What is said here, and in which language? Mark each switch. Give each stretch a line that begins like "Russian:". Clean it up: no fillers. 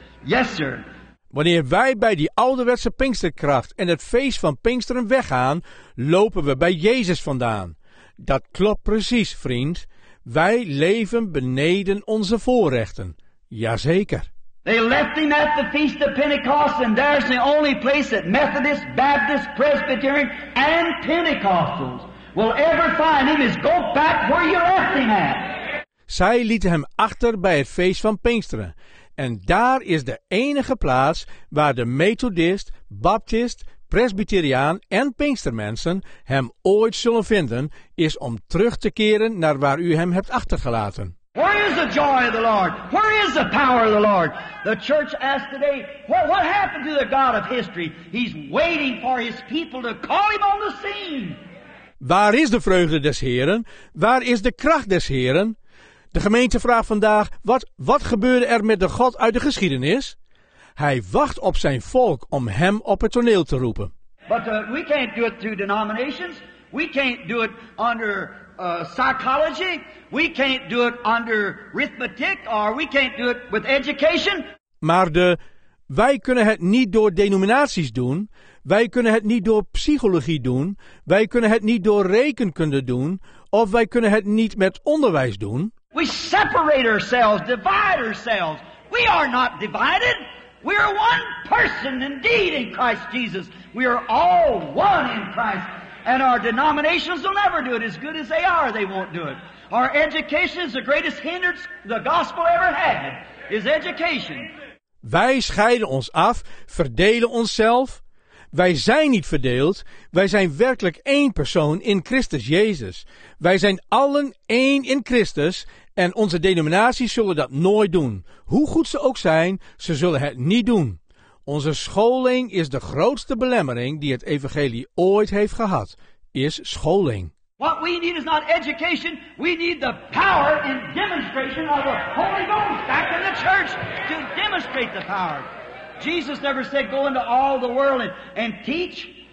English: Yes, sir.
Dutch: Wanneer wij bij die ouderwetse Pinksterkracht en het feest van Pinksteren weggaan, lopen we bij Jezus vandaan. Dat klopt precies, vriend. Wij leven beneden onze voorrechten. Jazeker.
English: They left him at the feast of Pentecost, and there's the only place that Methodists, Baptists, Presbyterians, and Pentecostals will ever find him is go back where you left him at.
Dutch: Zij lieten hem achter bij het feest van Pinksteren. En daar is de enige plaats waar de Methodist, Baptist, Presbyteriaan en Pinkstermensen hem ooit zullen vinden, is om terug te keren naar waar u hem hebt achtergelaten.
English: Where is the joy of the Lord? Where is the power of the Lord? The church asked today, what happened to the God of history? He's waiting for his people to call him on the scene.
Dutch: Waar is de vreugde des Heren? Waar is de kracht des Heren? De gemeente vraagt vandaag, wat gebeurde er met de God uit de geschiedenis? Hij wacht op zijn volk om hem op het toneel te roepen.
English: But we can't do it through denominations. We can't do it under psychology. We can't do it under arithmetic. Or we can't do it with education.
Dutch: Maar wij kunnen het niet door denominaties doen. Wij kunnen het niet door psychologie doen. Wij kunnen het niet door rekenkunde doen. Of wij kunnen het niet met onderwijs doen.
English: We separate ourselves, divide ourselves. We are not divided. We are one person indeed in Christ Jesus. We are all one in Christ. And our denominations will never do it. As good as they are, they won't do it. Our education is the greatest hindrance the gospel ever had, is education.
Dutch: Wij scheiden ons af, verdelen onszelf. Wij zijn niet verdeeld. Wij zijn werkelijk één persoon in Christus Jezus. Wij zijn allen één in Christus. En onze denominaties zullen dat nooit doen. Hoe goed ze ook zijn, ze zullen het niet doen. Onze scholing is de grootste belemmering die het evangelie ooit heeft gehad. Is scholing.
English: What we need is not education. We need the power and demonstration of the Holy Ghost back in the church to demonstrate the power. Jesus never said go into all the world and teach.